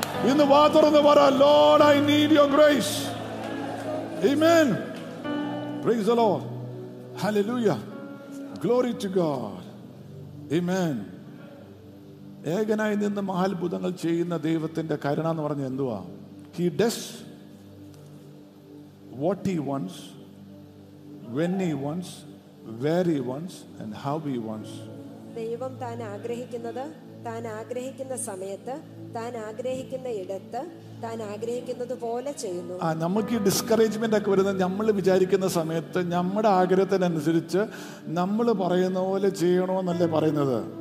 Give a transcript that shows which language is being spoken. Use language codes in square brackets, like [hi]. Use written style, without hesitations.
[ml] ഇന്ന് വാ തുറന്ന് പറ, [en] Lord, I need your grace. Amen. Praise the Lord. Hallelujah. Glory to God. Amen. [ml] ഏകനായി നിന്ന് മഹാത്ഭുതങ്ങൾ ചെയ്യുന്ന ദൈവത്തിന്റെ കരുണ എന്ന് പറഞ്ഞ എന്തുവാ? [en] He does what he wants, when he wants, where he wants, and how he wants. [ml] ദൈവം താൻ ആഗ്രഹിക്കുന്നത് താൻ ആഗ്രഹിക്കുന്ന സമയത്ത് താൻ ആഗ്രഹിക്കുന്ന ഇടത്ത് താൻ ആഗ്രഹിക്കുന്നത് പോലെ ചെയ്യുന്നു. ആ നമുക്ക് ഈ ഡിസ്കറേജ്മെന്റ് ഒക്കെ വരുന്നത് നമ്മൾ വിചാരിക്കുന്ന സമയത്ത് നമ്മുടെ ആഗ്രഹത്തിനനുസരിച്ച് നമ്മൾ പറയുന്ന പോലെ ചെയ്യണമെന്നല്ലേ പറയുന്നത്.